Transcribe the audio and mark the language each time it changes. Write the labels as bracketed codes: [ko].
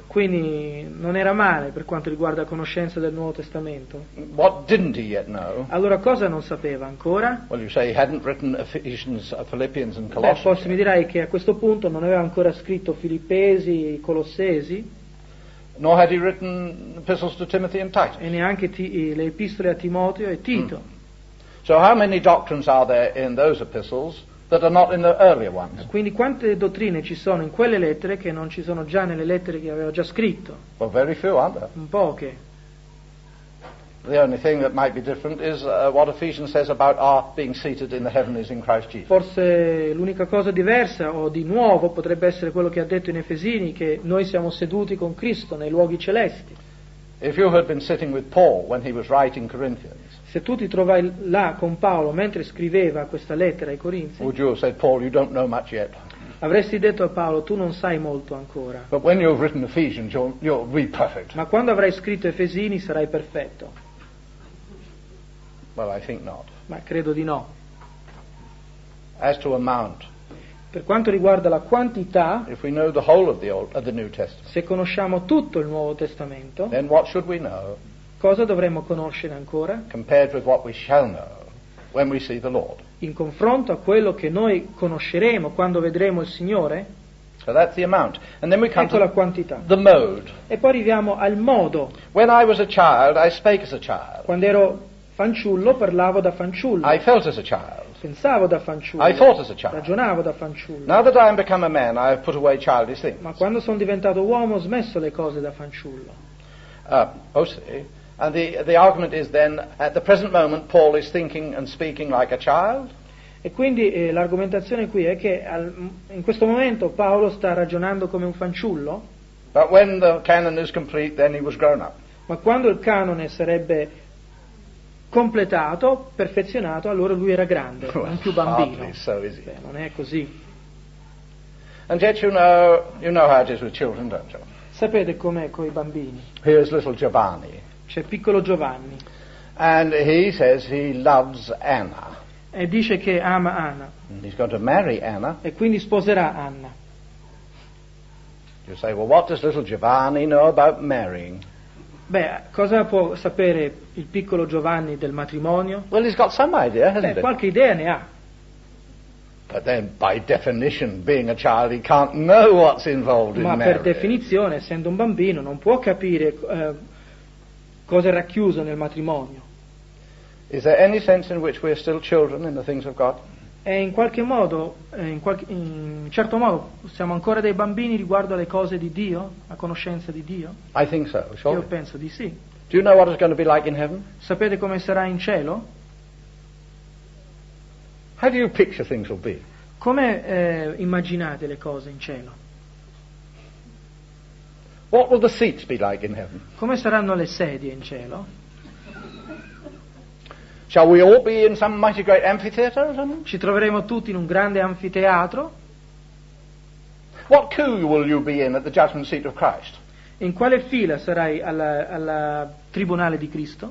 [it] Quindi non era male per quanto riguarda conoscenza del Nuovo Testamento. [en] What didn't he yet know? [it] Allora cosa non sapeva ancora? [en] Well, you say he hadn't written Ephesians, Philippians, and Colossians. [it] Forse mi dirai che a questo punto non aveva ancora scritto Filippesi, Colossesi. [en] Nor had he written epistles to Timothy and Titus. [it] E neanche le epistole a Timoteo e Tito. Mm. [en] So how many doctrines are there in those epistles that are not in the earlier ones? [it] Quindi quante dottrine ci sono in quelle lettere che non ci sono già nelle lettere che aveva già scritto? [en] Well, very few, aren't there? [it] Poche. [en] The only thing that might be different is what Ephesians says about our being seated in the heavenlies in Christ Jesus. [it] Forse l'unica cosa diversa o di nuovo potrebbe essere quello che ha detto in Efesini, che noi siamo seduti con Cristo nei luoghi celesti. [en] If you had been sitting with Paul when he was writing Corinthians. [it] Se tu ti trovai là con Paolo mentre scriveva questa lettera ai Corinzi. [en] Would you have said, Paul, you don't know much yet? [it] Avresti detto a Paolo, tu non sai molto ancora. [en] But when you've written Ephesians, you'll be perfect. [it] Ma quando avrai scritto Efesini sarai perfetto. [en] Well, I think not. [it] Ma credo di no. [en] As to amount. [it] Per quanto riguarda la quantità. [en] If we know the whole of the New Testament. [it] Se conosciamo tutto il Nuovo Testamento. [en] Then what should we know? [it] Cosa dovremmo conoscere ancora? [en] Compared with what we shall know when we see the Lord. [it] In confronto a quello che noi conosceremo quando vedremo il Signore. [en] So that's the amount. And then we come [it] ecco [en] to [it] la quantità. [en] The mode. [it] E poi arriviamo al modo. [en] When I was a child, I spake as a child. [it] Quando ero fanciullo, parlavo da fanciullo. [en] I felt as a child. [it] Pensavo da fanciullo. [en] I thought as a child. [it] Ragionavo da fanciullo. [en] Now that I am become a man, I have put away childish things. [it] Ma quando sono diventato uomo, ho smesso le cose da fanciullo. [en] And the argument is then, at the present moment, Paul is thinking and speaking like a child. [it] E quindi l'argomentazione qui è che in questo momento Paolo sta ragionando come un fanciullo. [en] But when the canon is complete, then he was grown up. [it] Ma quando il canone sarebbe completato, perfezionato, allora lui era grande, non più bambino. [en] So, [it] non è così. [en] And yet you know how it is with children, don't you? [it] Sapete com'è con i bambini? [en] Here's little Giovanni. [it] C'è piccolo Giovanni. [en] And he says he loves Anna. [it] E dice che ama Anna. [en] And he's going to marry Anna. [it] E quindi sposerà Anna. [en] You say, well, what does little Giovanni know about marrying? [it] Beh, cosa può sapere il piccolo Giovanni del matrimonio? [en] Well, he's got some idea, hasn't [it] he? Qualche idea ne ha. [en] But then, by definition, being a child, he can't know what's involved in marriage. [it] Ma per definizione, essendo un bambino, non può capire cosa è racchiuso nel matrimonio. [en] Is there any sense in which we're still children in the things of God? [it] E in qualche modo, in certo modo, siamo ancora dei bambini riguardo alle cose di Dio, a conoscenza di Dio? [en] I think so, surely. [it] Io penso di sì. [en] Do you know what it's going to be like in heaven? [it] Sapete come sarà in cielo? [en] How do you picture things will be? [it] Come immaginate le cose in cielo? [en] What will the seats be like in heaven? [it] Come saranno le sedie in cielo? [en] Shall we all be in some mighty great amphitheater or something? [it] Ci troveremo tutti in un grande anfiteatro? [en] What queue will you be in at the judgment seat of Christ? [it] In quale fila sarai al tribunale di Cristo?